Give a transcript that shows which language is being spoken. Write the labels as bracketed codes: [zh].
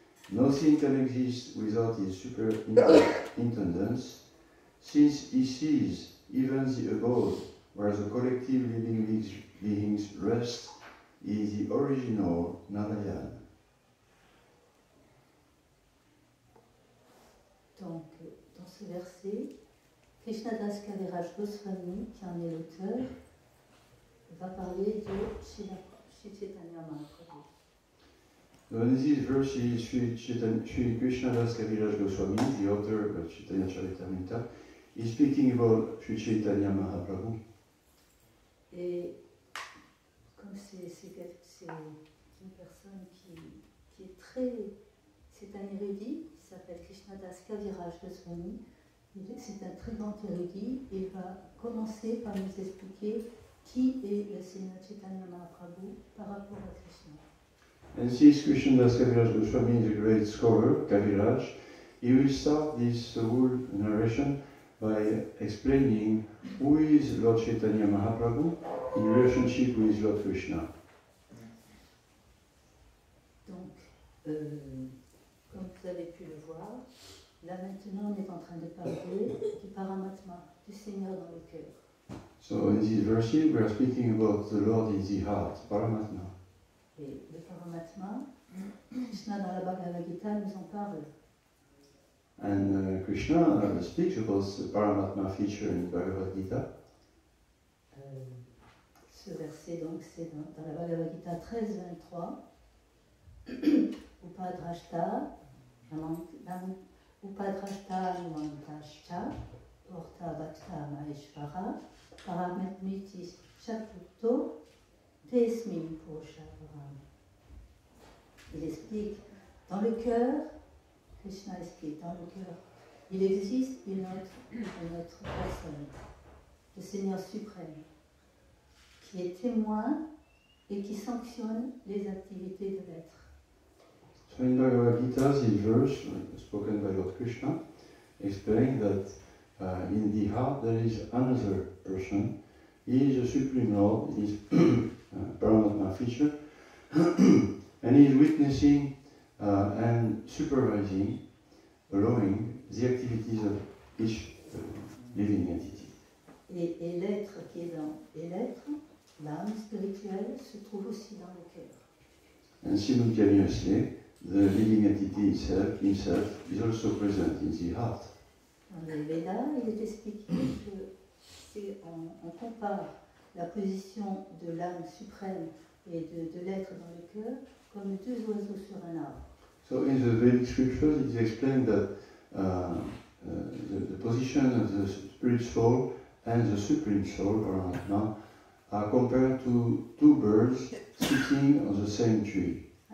[en] Nothing can exist without his superintendence, since he sees even the abode where the collective living beings rest is the original Narayana. [fr] Donc, dans ce verset, Krishna Das Kaviraj Goswami, qui en est l'auteur, va parler de Sri Chaitanya Mahaprabhu. Dans ce verset, [en] Sri Krishna Das Kaviraj Goswami, the author of Chaitanya Charitamrita, is speaking about Sri Chaitanya Mahaprabhu. [fr] Et comme c'est une personne qui est très. C'est un érudit. Il s'appelle Krishna Das Kaviraj Goswami. C'est un très grand érudit. Il va commencer par nous expliquer qui est le Seigneur Chaitanya Mahaprabhu par rapport à Krishna. [en] And since Krishna Das Kaviraj Goswami is a great scholar, Kaviraj, he will start this whole narration by explaining who is Lord Chaitanya Mahaprabhu in relationship with Lord Krishna. [fr] Donc, comme vous avez pu le voir, là maintenant on est en train de parler du Paramatma, du Seigneur dans le cœur. [en] So in this verse we are speaking about the Lord in the heart, Paramatma. [fr] Et le Paramatma, Krishna dans la Bhagavad Gita nous en parle. [en] And Krishna speaks about the Paramatma feature in the Bhagavad Gita. [fr] Ce verset donc c'est dans la Bhagavad Gita 13:23. [sa] Upadrashta, Upadrashta, Mantashta, Porta Bhakta Maheshvara, Paramitmiti Chaputo, Tesmin Purushavaram. [fr] Il explique dans le cœur, Krishna explique dans le cœur, il existe une autre personne, le Seigneur suprême, qui est témoin et qui sanctionne les activités de l'être. [en] So in Bhagavad Gita, this verse spoken by Lord Krishna explains that in the heart there is another person. He is the Supreme Lord, he is Paramatma feature, and he is witnessing and supervising, allowing the activities of each living entity. [fr] Et l'être qui est dans l'être, l'âme spirituelle, se trouve aussi dans le cœur. [en] And simultaneously, the living entity itself is also present in the heart. [fr] Dans les Vedas, il est expliqué que si on compare la position de l'âme suprême et de l'être dans le cœur comme deux oiseaux sur un arbre. [en] So in the Vedic scriptures, it is explained that the position of the spirit soul and the supreme soul, or Atma, are compared to two birds sitting on the same tree.